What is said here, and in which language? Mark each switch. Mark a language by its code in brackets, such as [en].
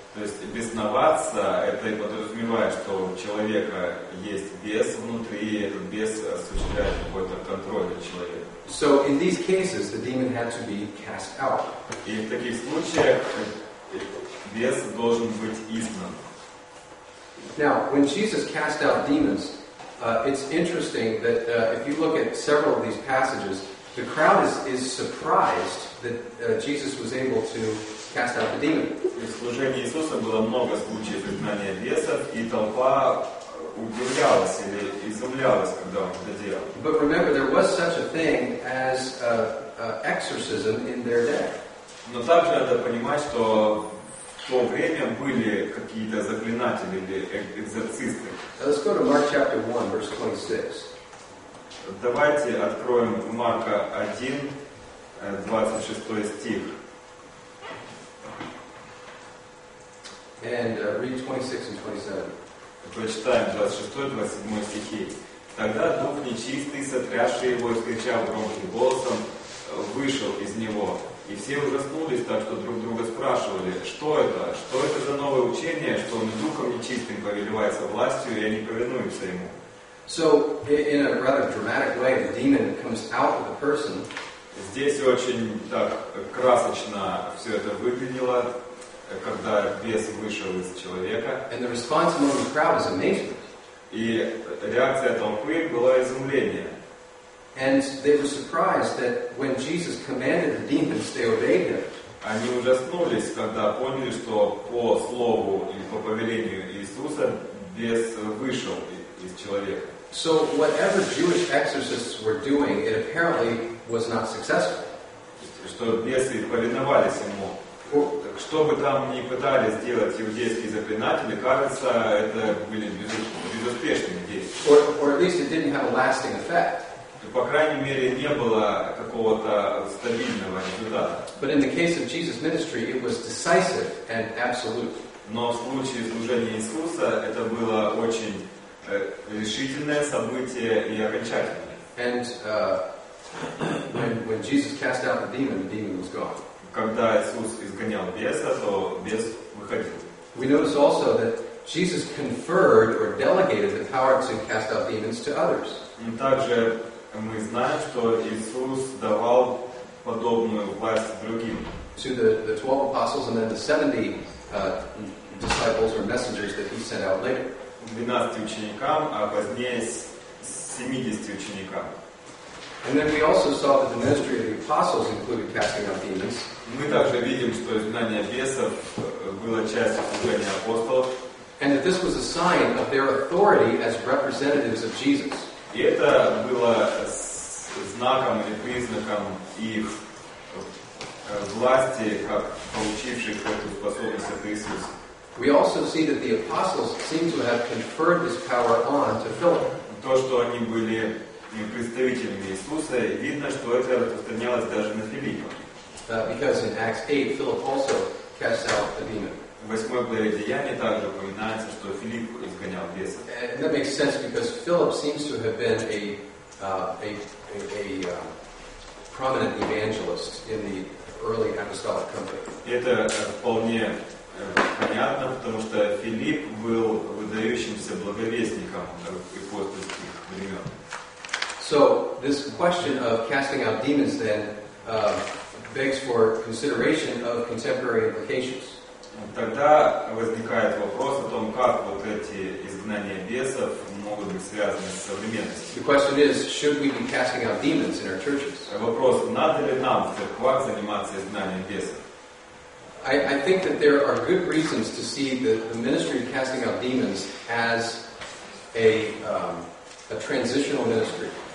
[ru] То есть бесноваться это и подразумевает, что у человека есть бес внутри, и этот бес осуществляет какой-то контроль над человеком. [en] So in these cases the demon had to be cast out. [ru] И в таких случаях бес должен быть изгнан. [en] Now, when Jesus cast out demons, it's interesting that if you look at several of these passages, the crowd is surprised that Jesus was able to cast out the demon. [ru] В служении Иисуса было много случаев изгнания бесов, и толпа удивлялась или изумлялась, когда он это делал. [en] But remember, there was such a thing as exorcism in their day. [ru] Но также надо понимать, что в то время были какие-то заклинатели или экзорцисты. [en] Let's go to Mark chapter 1, verse 26. [ru] Давайте откроем Марка 1, 26 стих. [en] And read 26 and 27. [ru] Прочитаем 26 и 27 стихи. Тогда дух нечистый, сотрясший его и кричав громким голосом, вышел из него. И все ужаснулись так, что друг друга спрашивали, что это? Что это за новое учение, что он духом нечистым повелевается властью, и они повинуются ему? [en] So, in a rather dramatic way, the demon comes out of the person. [ru] Здесь очень так красочно все это выглядело, когда бес вышел из человека. [en] And the response among the crowd is amazing. [ru] И реакция толпы была изумление. [en] And they were surprised that when Jesus commanded the demons, they obeyed him. [ru] Они ужаснулись, когда поняли, что по слову или по повелению Иисуса бес вышел из человека. [en] So whatever Jewish exorcists were doing, it apparently was not successful. [ru] Что бесы повиновались ему. Что бы там ни пытались сделать иудейские заклинатели, кажется, это были безуспешными действия. [en] Or at least it didn't have a lasting effect. [ru] По крайней мере, не было какого-то стабильного результата. [en] But in the case of Jesus' ministry, it was decisive and absolute. [ru] Но в случае служения Иисуса это было очень решительное событие и окончательное. [en] And when Jesus cast out the demon was gone. [ru] Когда Иисус изгонял беса, то бес выходил. [en] We notice also that Jesus conferred or delegated the power to cast out demons to others. [ru] Также мы знаем, что Иисус давал подобную власть другим. [en] To the 12 apostles and then the 70 disciples or messengers that he sent out later. [ru] 12 ученикам, а позднее 70 ученикам. [en] And then we also saw that the ministry of the apostles included casting out demons. [ru] Мы также видим, что изгнание бесов было частью служения апостолов. [en] And that this was a sign of their authority as representatives of Jesus. [ru] И это было знаком или признаком их власти, как получивших эту способность от Иисуса. [en] We also see that the apostles seem to have conferred this power on to Philip. [ru] То, что они были представителями Иисуса, видно, что это распространялось даже на Филиппа. [en] Because in Acts 8, Philip also cast out a demon. [ru] В 8 главе Деяний также упоминается, что Филипп изгонял беса. [en] And that makes sense because Philip seems to have been a prominent evangelist in the early apostolic company. [ru] Это вполне понятно, потому что Филипп был выдающимся благовестником апостольских времен. [en] So this question of casting out demons then begs for consideration of contemporary implications. [ru] Тогда возникает вопрос о том, как вот эти изгнания бесов могут быть связаны с современностью. [en] The question is, should we be casting out demons in our churches? [ru] Вопрос, надо ли нам в церквах заниматься изгнанием бесов? [en] I think that there are good reasons to see the ministry of casting out demons as a transitional ministry.